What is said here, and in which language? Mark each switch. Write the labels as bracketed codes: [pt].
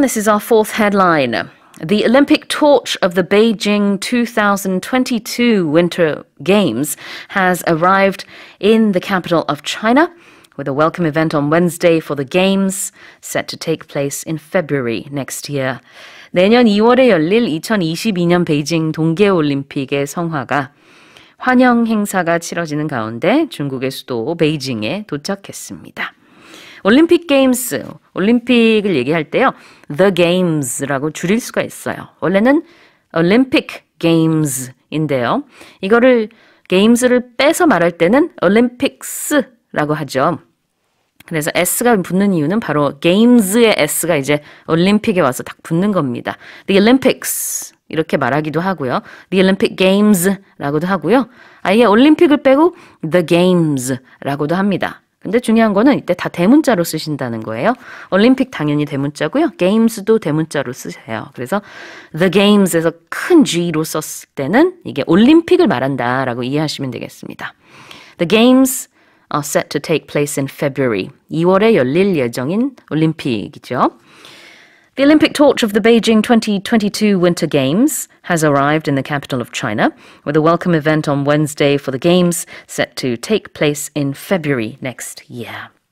[en] This is our fourth headline. The Olympic torch of the Beijing 2022 Winter Games has arrived in the capital of China, with a welcome event on Wednesday for the Games set to take place in February next year. [ko] 내년 2월에 열릴 2022년 베이징 동계올림픽의 성화가 환영 행사가 치러지는 가운데 중국의 수도 베이징에 도착했습니다. 올림픽 게임스, 올림픽을 얘기할 때요. The Games라고 줄일 수가 있어요. 원래는 Olympic Games인데요. 이거를 Games를 빼서 말할 때는 Olympics라고 하죠. 그래서 S가 붙는 이유는 바로 Games의 S가 이제 올림픽에 와서 딱 붙는 겁니다. The Olympics 이렇게 말하기도 하고요. The Olympic Games라고도 하고요. 아예 올림픽을 빼고 The Games라고도 합니다. 근데 중요한 거는 이때 다 대문자로 쓰신다는 거예요. 올림픽 당연히 대문자고요. Games도 대문자로 쓰세요. 그래서 The Games에서 큰 G로 썼을 때는 이게 올림픽을 말한다라고 이해하시면 되겠습니다. [en] The Games are set to take place in February. [ko] 2월에 열릴 예정인 올림픽이죠. [en] The Olympic torch of the Beijing 2022 Winter Games has arrived in the capital of China, with a welcome event on Wednesday for the Games set to take place in February next year.